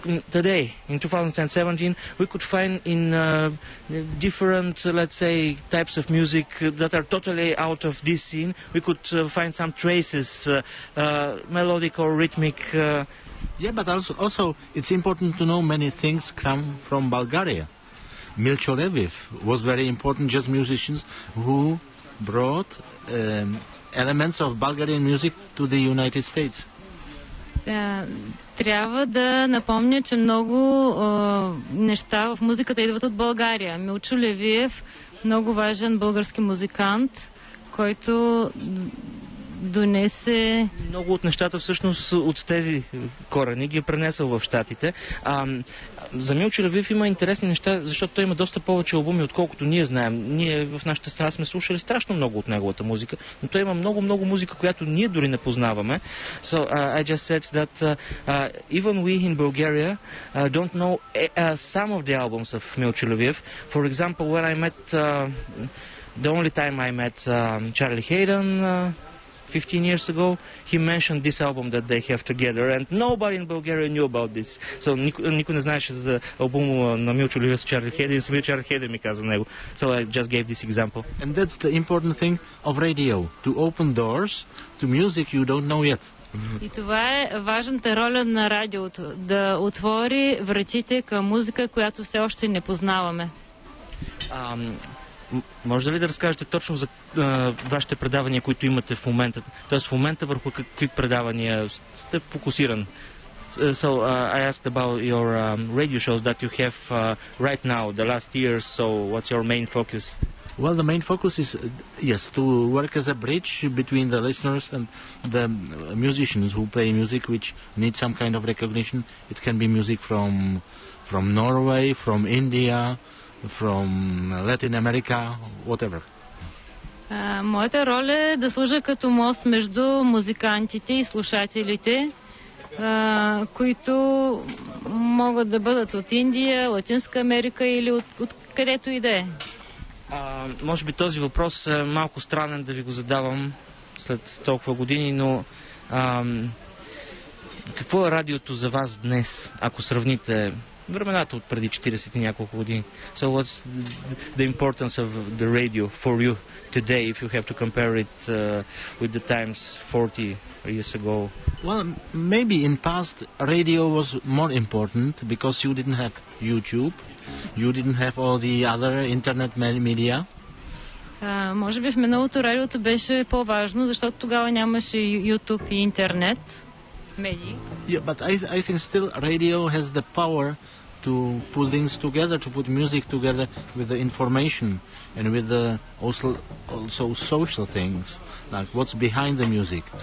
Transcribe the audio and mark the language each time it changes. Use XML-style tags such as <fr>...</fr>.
<en>today, in 2017, we could find in different, let's say, types of music that are totally out of this scene, we could find some traces, melodic or rhythmic. Yeah, but also it's important to know many things come from Bulgaria. Milcho Leviev was very important jazz musician who brought elements of Bulgarian music to the United States.</en> <bg>Трябва да напомня, че много неща в музиката идват от България. Милчо Левиев, много важен български музикант, който донесе... Много от нещата всъщност от тези корени ги е пренесъл в щатите. За Милчо Левиев има интересни неща, защото той има доста повече албуми, отколкото ние знаем. Ние в нашата страна сме слушали страшно много от неговата музика, но той има много-много музика, която ние дори не познаваме.</bg> <en>So I just said that even we in Bulgaria don't know some of the albums of Milčo Leviev. For example, when I met, the only time I met Charlie Hayden... 15 years ago, he mentioned this album that they have together, and nobody in Bulgaria knew about this. So никой не знаеше за албума на Милчо Левиев с Чарли Хейден, и Милчо Хейден ми каза него. So I just gave this example. And that's the important thing of radio, to open doors to music you don't know yet.</en> <bg>И това е важната роля на радиото, да отвори вратите към музика, която все още не познаваме. Може ли да разкажете точно за вашите предавания, които имате в момента? Тоест в момента върху какви предавания сте фокусиран?</bg> <en>So I asked about your radio shows that you have right now, the last years. So what's your main focus? Well, the main focus is yes, to work as a bridge between the listeners and the musicians who play music which need some kind of recognition. It can be music from Norway, from India, from Latin America, whatever.</en> <bg>Моята роля е да служа като мост между музикантите и слушателите, които могат да бъдат от Индия, Латинска Америка или от където и да е. Може би този въпрос е малко странен да ви го задавам след толкова години, но какво е радиото за вас днес, ако сравните времената от преди 40 и няколко години.</bg> <en>So what's the importance of the radio for you today if you have to compare it with the times 40 years ago? Well, maybe in past radio was more important because you didn't have YouTube, you didn't have all the other internet media.</en> <bg>Може би в миналото радиото беше по-важно, защото тогава нямаше YouTube и интернет.</bg> <en>Maybe. Yeah, but I think still radio has the power to put things together, to put music together with the information and with the also social things, like what's behind the music.</en>